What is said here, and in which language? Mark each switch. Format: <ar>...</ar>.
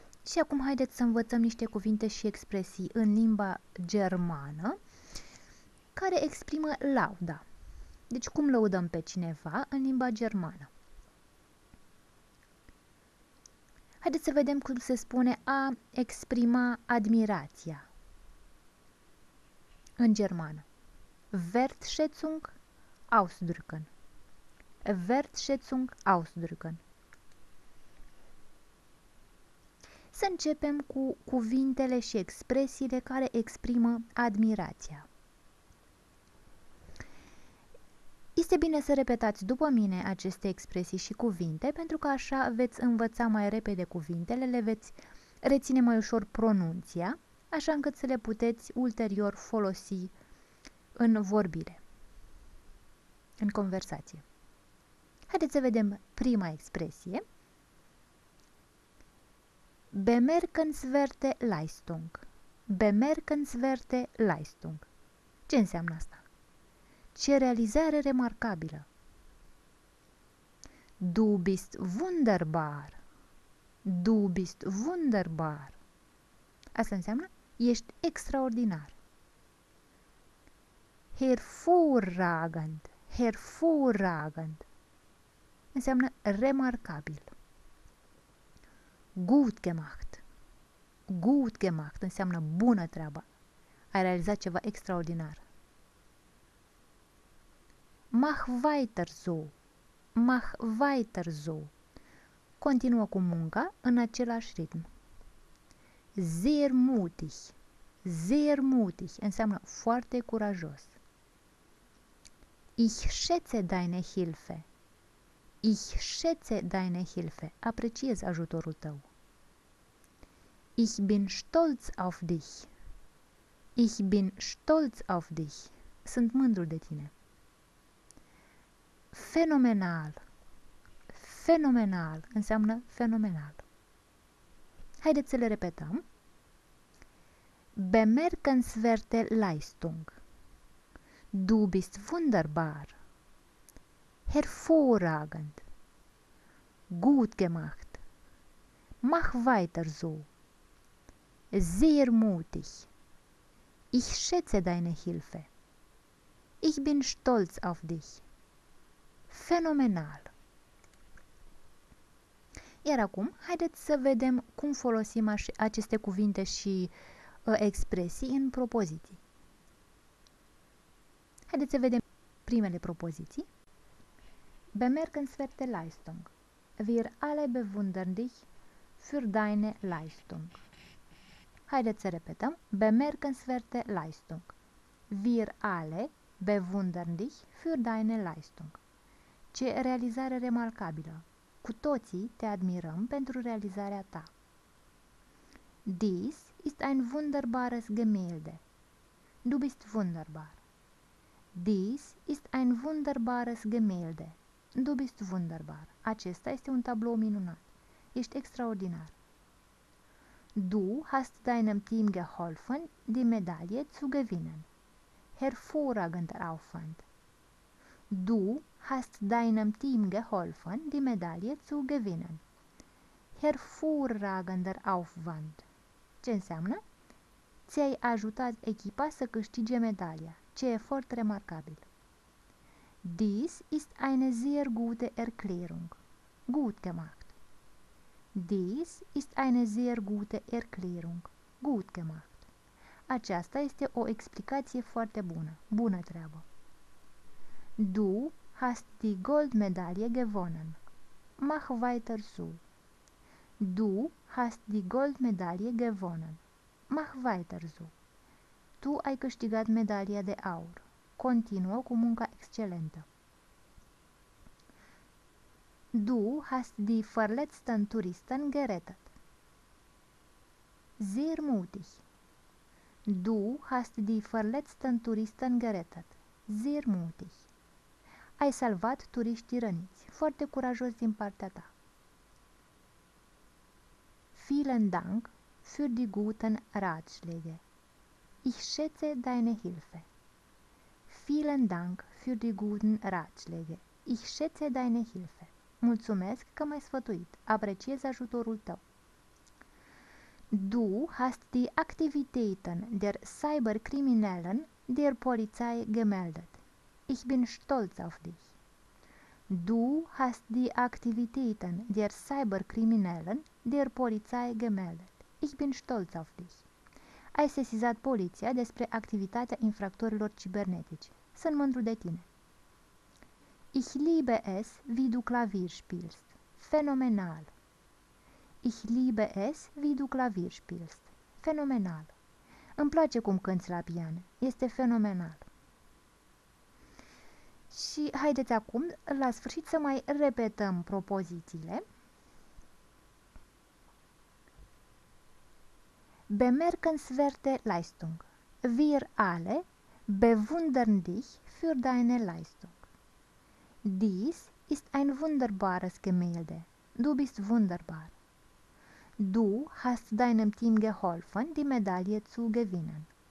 <ro>Și acum haideți să învățăm niște cuvinte și expresii în limba germană care exprimă lauda. Deci, cum lăudăm pe cineva în limba germană? Haideți să vedem cum se spune a exprima admirația în germană.</ro> <de>Wertschätzung ausdrücken. Wertschätzung ausdrücken.</de> <ro>Să începem cu cuvintele și expresiile care exprimă admirația. Este bine să repetați după mine aceste expresii și cuvinte, pentru că așa veți învăța mai repede cuvintele, le veți reține mai ușor pronunția, așa încât să le puteți ulterior folosi în vorbire, în conversație. Haideți să vedem prima expresie.</ro> <de>Bemerkenswerte Leistung. Bemerkenswerte Leistung.</de> <ro>Ce înseamnă asta? Ce realizare remarcabilă!</ro> <de>Du bist wunderbar! Du bist wunderbar!</de> <ro>Asta înseamnă ești extraordinar!</ro> <de>Hervorragend, hervorragend.</de> <ro>Înseamnă remarcabil.</ro> <de>Gut gemacht. Gut gemacht</de> <ro>înseamnă bună treabă. Ai realizat ceva extraordinar.</ro> <de>Mach weiter so. Mach weiter so.</de> <ro>Continuă cu munca în același ritm.</ro> <de>Sehr mutig. Sehr mutig</de> <ro>înseamnă foarte curajos.</ro> <de>Ich schätze deine Hilfe. Ich schätze deine Hilfe.</de> <ro>Apreciez ajutorul tău.</ro> <de>Ich bin stolz auf dich. Ich bin stolz auf dich.</de> <ro>Sunt mândru de tine.</ro> <de>Fenomenal.</de> <ro>Fenomenal înseamnă fenomenal. Haideți să le repetăm.</ro> <de>Bemerkenswerte Leistung. Du bist wunderbar. Hervorragend. Gut gemacht. Mach weiter so. Sehr mutig. Ich schätze deine Hilfe. Ich bin stolz auf dich. Fenomenal.</de> <ro>Iar acum, haideți să vedem cum folosim aceste cuvinte și expresii în propoziții. Haideți să vedem primele propoziții.</ro> <de>Bemerkenswerte Leistung. Wir alle bewundern dich für deine Leistung.</de> <ro>Haideți să repetăm.</ro> <de>Bemerkenswerte Leistung. Wir alle bewundern dich für deine Leistung.</de> <ro>Ce realizare remarcabilă! Cu toții te admirăm pentru realizarea ta.</ro> <de>Dies ist ein wunderbares Gemälde. Du bist wunderbar. Dies ist ein wunderbares Gemälde. Du bist wunderbar.</de> <ro>Acesta este un tablou minunat. Ești extraordinar.</ro> <de>Du hast deinem Team geholfen, die Medaille zu gewinnen. Hervorragender Aufwand. Du hast deinem Team geholfen, die Medaille zu gewinnen. Hervorragender Aufwand.</de> <ro>Ce înseamnă? Ți-ai ajutat echipa să câștige medalia. Ce efort remarcabil.</ro> <de>Dies ist eine sehr gute Erklärung. Gut gemacht. Dies ist eine sehr gute Erklärung. Gut gemacht.</de> <ro>Aceasta este o explicație foarte bună. Bună treabă.</ro> <de>Du hast die Goldmedaille gewonnen. Mach weiter so. Du hast die Goldmedaille gewonnen. Mach weiter so.</de> <ro>Tu ai câștigat medalia de aur. Continuă cu munca excelentă.</ro> <de>Du hast die verletzten Touristen gerettet. Sehr mutig. Du hast die verletzten Touristen gerettet. Sehr mutig.</de> <ro>Ai salvat turiștii răniți. Foarte curajos din partea ta.</ro> <de>Vielen Dank für die guten Ratschläge. Ich schätze deine Hilfe. Vielen Dank für die guten Ratschläge. Ich schätze deine Hilfe.</de> <ro>Mulțumesc că m-ai sfătuit. Apreciez ajutorul tău.</ro> <de>Du hast die Aktivitäten der Cyberkriminellen der Polizei gemeldet. Ich bin stolz auf dich. Du hast die Aktivitäten der Cyberkriminellen der Polizei gemeldet. Ich bin stolz auf dich.</de> <ro>Ai sesizat poliția despre activitatea infractorilor cibernetici. Sunt mândru de tine.</ro> <de>Ich liebe es, wie du Klavier spielst. Fenomenal. Ich liebe es, wie du Klavier spielst. Fenomenal.</de> <ro>Îmi place cum cânți la pian. Este fenomenal. Și haideți acum, la sfârșit, să mai repetăm propozițiile.</ro> <de>Bemerkenswerte Leistung. Wir alle bewundern dich für deine Leistung. Dies ist ein wunderbares Gemälde. Du bist wunderbar. Du hast deinem Team geholfen, die Medaille zu gewinnen.</de>